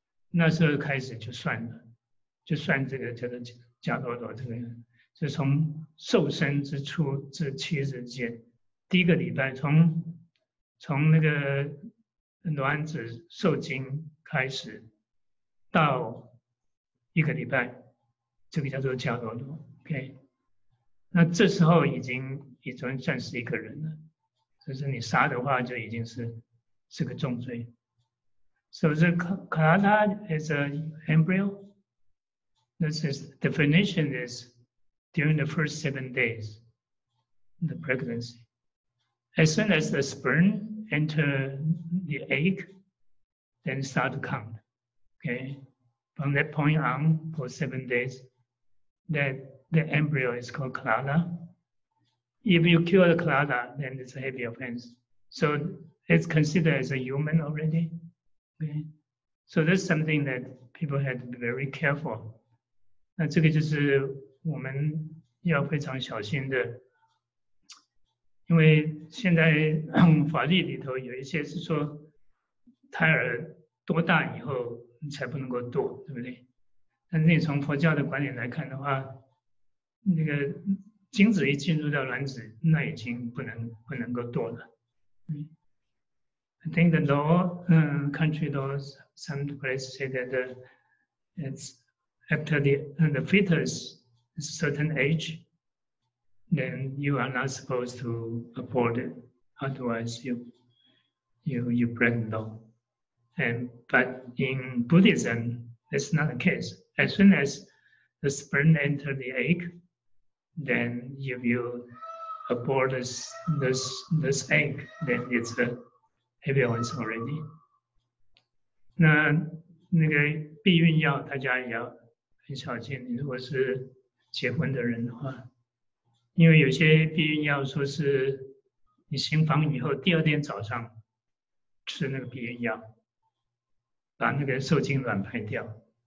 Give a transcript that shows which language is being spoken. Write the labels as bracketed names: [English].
[Chinese] 那时候开始就算这个叫做迦罗罗，这个是从受生之初至七日间第一个礼拜，从那个卵子受精开始到一个礼拜，这个叫做迦罗罗。 OK， 那这时候已经算是一个人了，就是你杀的话就已经是个重罪。 [English] So the Kalala is an embryo. This is definition is during the first 7 days of the pregnancy. As soon as the sperm enter the egg, then start to count. Okay, from that point on for 7 days, that the embryo is called Kalala. If you kill the Kalala, then it's a heavy offense. So it's considered as a human already. Okay, so that's something that people had to be very careful. [Chinese] 那这个就是我们要非常小心的，因为现在法律里头有一些是说胎儿多大以后你才不能够堕，对不对？但是你从佛教的观点来看的话，那个精子一进入到卵子，那已经不能够堕了。 [English] I think the law, country laws, some places say that it'sAfter the fetus is a certain age, then you are not supposed to abort it. Otherwise, you break the law. But in Buddhism, it's not the case. As soon as the sperm enter the egg, then if you abort this egg, then it's a heavy one already. [Chinese] 那个避孕药大家也要很少见，你如果是结婚的人的话，因为有些避孕药说是你行房以后第二天早上吃那个避孕药，把那个受精卵排掉。